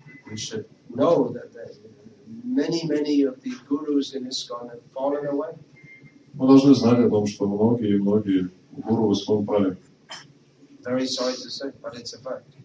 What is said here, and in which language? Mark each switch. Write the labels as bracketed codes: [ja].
[en] We should know that many of the gurus in ISKCON have fallen away. [ru] Мы должны знать о том, что многие гуру в ИСКОН пали. [en] Very sorry to say, but it's a fact.